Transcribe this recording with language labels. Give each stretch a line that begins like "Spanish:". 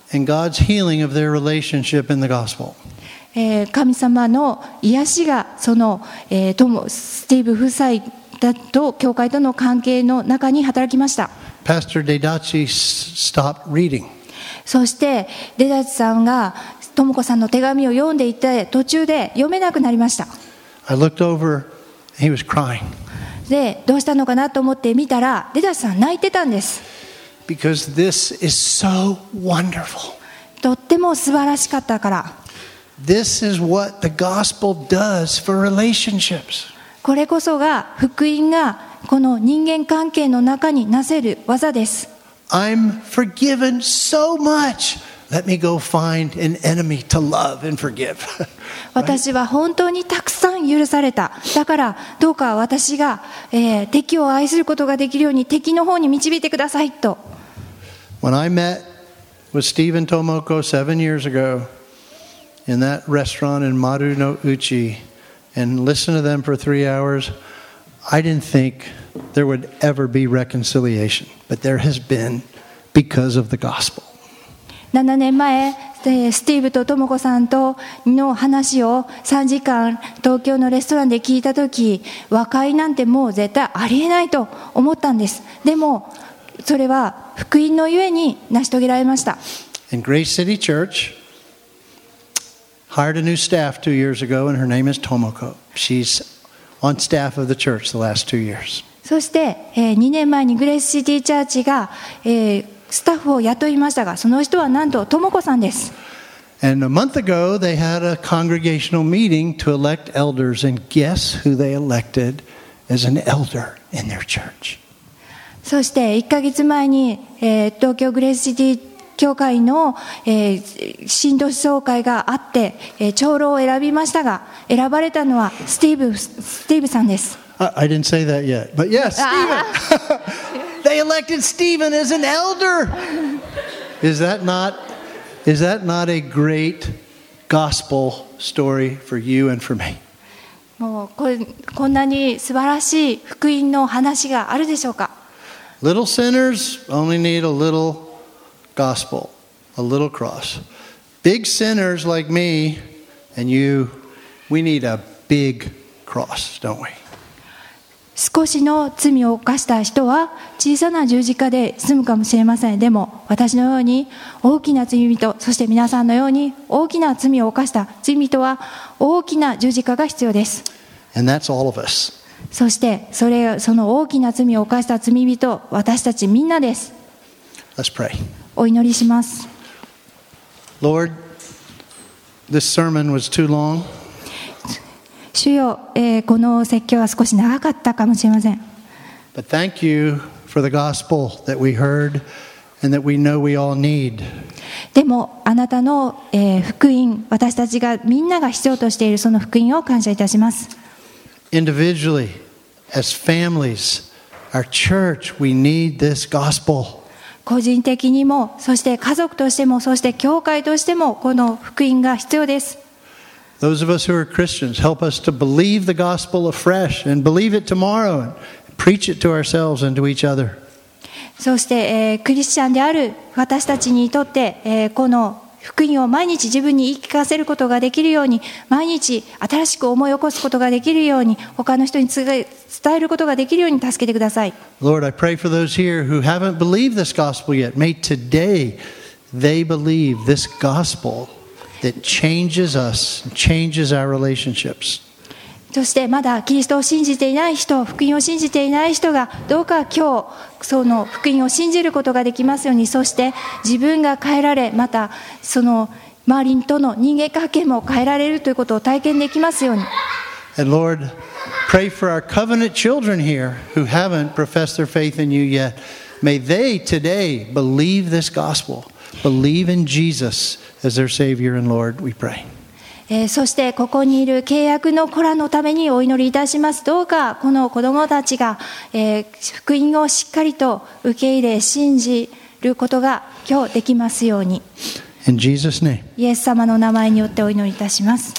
English: And God's healing of their relationship in the gospel.
Japanese: 神様の癒しがその、スティーブ夫妻と教会との関係の中に働きました。
English: Pastor Deidachi stopped reading
Japanese: そしてデダチさんがトモコさんの手紙を読んでいて途中で読めなくなりました。
English: I looked over, he was crying.
Japanese: でどうしたのかなと思って見たらデダチさん泣いてたんです。
English: Because this is so wonderful.
Japanese: とっても素晴らしかったから。
English: This is what the gospel does for relationships.
Japanese: これこそが福音がこの人間関係の中になせる技です。
English: I'm forgiven so much. Let me go find an enemy to love and forgive.
Japanese: 私は本当にたくさん許された。だからどうか私が、敵を愛することができるように敵の方に導いてくださいと。
English: When I met with Stephen Tomoko 7 years ago in that restaurant in Maru no Uchi and listened to them for 3 hours, I didn't think. There would ever be reconciliation, but there has been because of the gospel.
Japanese: 7年前、スティーブとトモコさんとの話を3時間東京のレストランで聞いたとき、和解なんてもう絶対ありえないと思ったんです。でもそれは福音のゆえに成し遂げられました。
English: In Grace City Church, hired a new staff 2 years ago, and her name is Tomoko. She's on staff of the church the last two years.
Japanese: そして、2年前にグレースシティチャーチが、スタッフを雇いましたが、その人はなんとトモコさんです。
English: And a month ago, they had a congregational meeting to elect elders, and guess who they elected as an elder in their church?
Japanese: そして1ヶ月前に、東京グレースシティ教会の、信徒総会があって、長老を選びましたが、選ばれたのはスティーブさんです。
English: I didn't say that yet, but yes, Stephen. They elected Stephen as an elder. Is that not a great gospel story for you and for me?
Japanese: もうこんなに素晴らしい福音の話があるでしょうか?
English: Little sinners only need a little gospel, a little cross. Big sinners like me and you, we need a big cross, don't we?
Japanese: 少しの罪を犯した人は小さな十字架で済むかもしれません。でも私のように大きな罪人、そして皆さんのように大きな罪を犯した罪人は大きな十字架が必要です。
English: And that's all of us.
Japanese: そしてその大きな罪を犯した罪人、私たちみんなです。
English: Let's pray.
Japanese: お祈りします。
English: Lord, this sermon was too long.
Japanese: 主よ、この説教は少し長かったかもしれません。
English: But thank you for the gospel that we heard and that we know we all need.
Japanese: でもあなたの、福音、私たちがみんなが必要としているその福音を感謝いたします。
English: Individually, as families, our church, we need this gospel.
Japanese: 個人的にも、そして家族としても、そして教会としてもこの福音が必要です。
English: Those of us who are Christians, help us to believe the gospel afresh and believe it tomorrow and preach it to ourselves and to each other.
Japanese: そして、クリスチャンである私たちにとって、この福音を毎日自分に言い聞かせることができるように、毎日新しく思い起こすことができるように、他の人に伝えることができるように助けてください。
English: Lord, I pray for those here who haven't believed this gospel yet. May today they believe this gospel. That changes us, changes our relationships.
Japanese: そしてまだキリストを信じていない人、福音を信じていない人がどうか今日その福音を信じることができますように、そして自分が変えられ、またその周りとの人間関係も変えられるということを体験できますように。
English: And Lord, pray for our covenant children here who haven't professed their faith in you yet. May they today believe this gospel. Believe in Jesus as their Savior and Lord, we pray.
Japanese: そしてここにいる契約の子らのためにお祈りいたします。どうかこの子どもたちが、福音をしっかりと受け入れ信じることが今日できますように。
English: In Jesus' name.
Japanese: イエス様の名前によってお祈りいたします。